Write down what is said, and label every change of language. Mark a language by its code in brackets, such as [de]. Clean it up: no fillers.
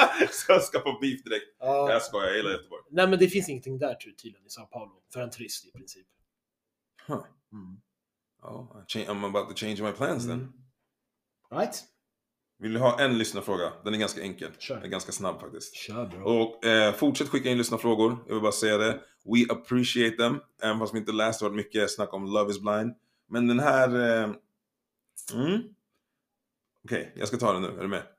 [sv] Så jag ska få beef direkt. Ah. Jag skojar, jag gillar Göteborg. Nej, men det finns ingenting där tydligen i Sao Paulo. För en turist i princip. Huh. [en] Mm. Oh, I'm about to change my plans then. Right. [sv] Vill du ha en lyssnarfråga? Den är ganska enkel. Den är ganska snabb faktiskt. Kör, bro. Och fortsätt skicka in lyssnarfrågor. Jag vill bara säga det. [en] We appreciate them. [sv] Även fast vi inte läst vart mycket snack om Love is Blind. Men den här... Okej, jag ska ta den nu. Är du med?